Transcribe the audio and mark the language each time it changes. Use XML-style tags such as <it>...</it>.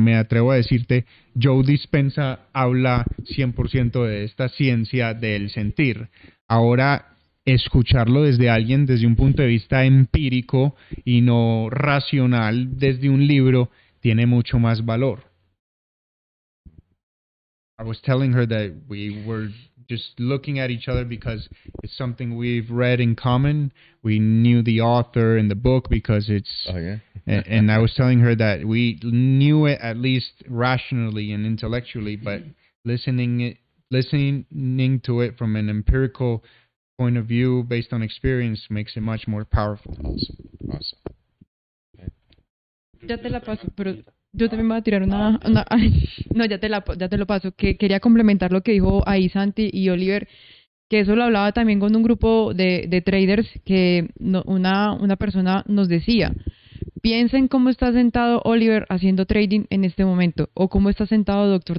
<es>Me atrevo a decirte, Joe Dispenza habla 100% de esta ciencia del sentir. Ahora, escucharlo desde alguien, desde un punto de vista empírico y no racional, desde un libro, tiene mucho más valor.</es> <en>I was telling her that we were just looking at each other because it's something we've read in common. We knew the author and the book because it's... Oh, yeah? and I was telling her that we knew it at least rationally and intellectually, but listening to it from an empirical point of view based on experience makes it much more powerful. Awesome.</en> <es>Ya te la paso, pero Yo también voy a tirar una no, ya te lo paso, que quería complementar lo que dijo ahí Santi y Oliver, que eso lo hablaba también con un grupo de traders, que no, una persona nos decía, piensen cómo está sentado Oliver haciendo trading en este momento, o cómo está sentado Dr.</es>